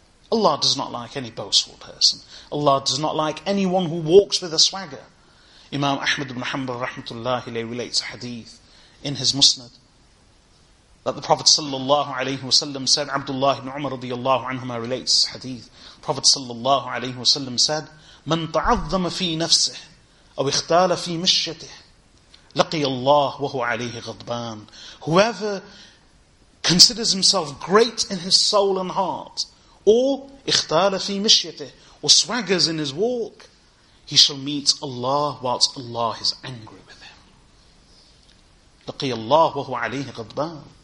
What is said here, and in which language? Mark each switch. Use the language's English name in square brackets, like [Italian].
[English] Allah does not like any boastful person. Allah does not like anyone who walks with a swagger. Imam Ahmad ibn Hanbal rahmatullahi alayhi relates a hadith in his Musnad that the Prophet sallallahu alayhi wasallam said, Abdullah ibn Umar radiallahu anhuma relates this hadith. Prophet sallallahu alayhi wasallam said, [Arabic] مَنْ تَعَظَّمَ فِي نَفْسِهِ أَوْ اِخْتَالَ فِي مِشْيَتِهِ لَقِيَ اللَّهُ وَهُوَ عَلَيْهِ غَضْبَانِ. [English] Whoever considers himself great in his soul and heart, or [Arabic] اِخْتَالَ فِي مِشْيَتِهِ, [English] or swaggers in his walk, He shall meet Allah whilst Allah is angry with him. [Arabic] لقي الله وهو عليه غضبان.